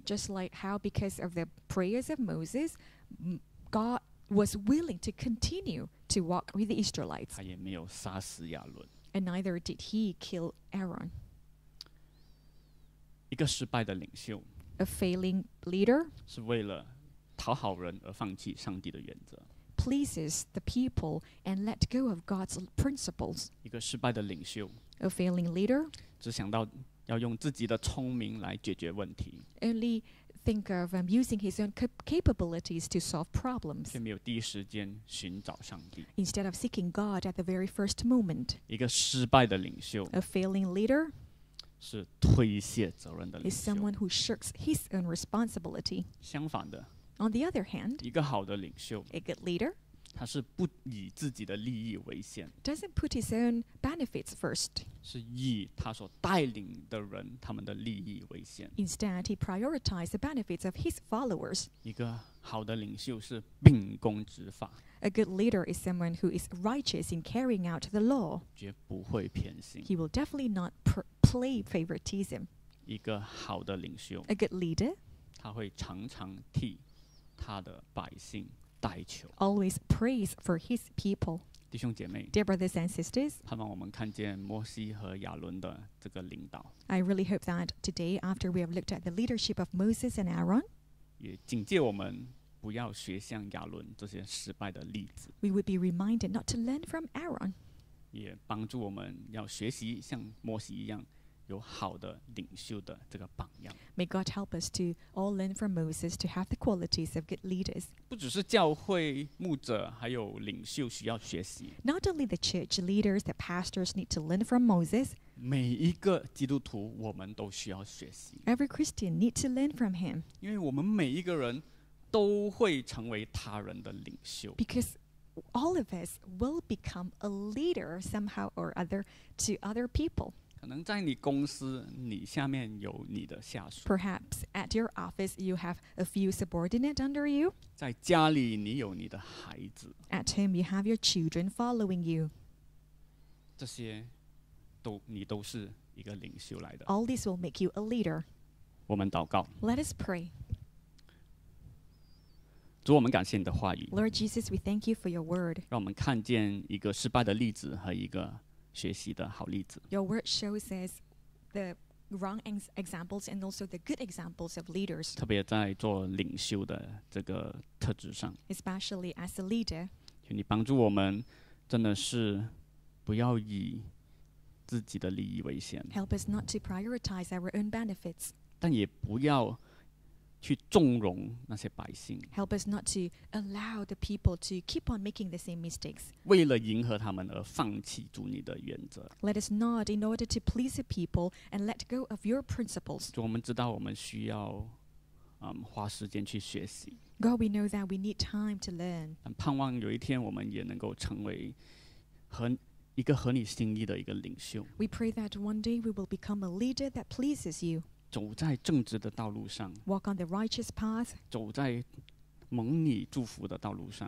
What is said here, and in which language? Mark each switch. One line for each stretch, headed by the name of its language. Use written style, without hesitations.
English: Just like how, because of the prayers of Moses, God was willing to continue to walk with the Israelites.
Chinese: 他也没有杀死亚伦。
English: And neither did he kill Aaron.
Chinese: 一个失败的领袖，
English: a failing leader,
Chinese: 是为了讨好人而放弃上帝的原则。
English: Pleases the people and let go of God's principles.
Chinese: 一个失败的领袖，
English: a failing leader,
Chinese: 只想到要用自己的聪明来解决问题，
English: only think of using his own capabilities to solve problems.
Chinese: 却没有第一时间寻找上帝，
English: instead of seeking God at the very first moment.
Chinese: 一个失败的领袖，
English: a failing leader,
Chinese: 是推卸责任的领袖，
English: is someone who shirks his own responsibility.
Chinese: 相反的，
English: on the other hand,
Chinese: 一个好的领袖，
English: a good leader,
Chinese: 他是不以自己的利益为先，
English: doesn't put his own benefits first.
Chinese: 是以他所带领的人他们的利益为先，
English: instead, he prioritized the benefits of his followers.
Chinese: 一个好的领袖是秉公执法，
English: a good leader is someone who is righteous in carrying out the law.
Chinese: 绝不会偏心，
English: he will definitely not play favoritism.
Chinese: 一个好的领袖，
English: a good leader,
Chinese: 他会常常替他的百姓代求，
English: always prays for his people.
Chinese: 弟兄姐妹，
English: dear brothers and sisters,
Chinese: 盼望我们看见摩西和亚伦的这个领导。
English: I really hope that today, after we have looked at the leadership of Moses and Aaron,
Chinese: 也警戒我们不要学像亚伦这些失败的例子。
English: We would be reminded not to learn from Aaron.
Chinese: 也帮助我们要学习像摩西一样有好的领袖的这个榜样。
English: May God help us to all learn from Moses to have the qualities of good leaders.
Chinese: 不只是教会牧者还有领袖需要学习。
English: Not only the church leaders, the pastors need to learn from Moses.
Chinese: 每一个基督徒我们都需要学习。
English: Every Christian need to learn from him.
Chinese: 因为我们每一个人都会成为他人的领袖。
English: Because all of us will become a leader somehow or other to other people.
Chinese: 可能在你公司，你下面有你的下属。
English: Perhaps at your office you have a few subordinate under you.
Chinese: 在家里你有你的孩子。
English: At home you have your children following you.
Chinese: 这些你都是一个领袖来的。
English: All this will make you a leader.
Chinese: 我们祷告。
English: Let us pray.
Chinese: 主，我们感谢你的话语。
English: Lord Jesus, we thank you for your word.
Chinese: 让我们看见一个失败的例子和一个学习的好例子。
English: Your word shows us the wrong examples and also the good examples of leaders.
Chinese: 特别在做领袖的这个特质上。
English: Especially as a leader.
Chinese: 求你帮助我们，真的是不要以自己的利益为先。
English: Help us not to prioritize our own benefits.
Chinese: 但也不要去纵容那些百姓。
English: Help us not to allow the people to keep on making the same mistakes.
Chinese: 为了迎合他们而放弃主你的原则。
English: Let us not, in order to please the people, and let go of your principles.
Chinese: 主，我们知道我们需要，花时间去学习。
English: God, we know that we need time to learn.
Chinese: 但盼望有一天我们也能够成为和一个合你心意的一个领袖。
English: We pray that one day we will become a leader that pleases you.
Chinese: 走在正直的道路上。
English: Walk on the righteous path.
Chinese: 走在蒙你祝福的道路上。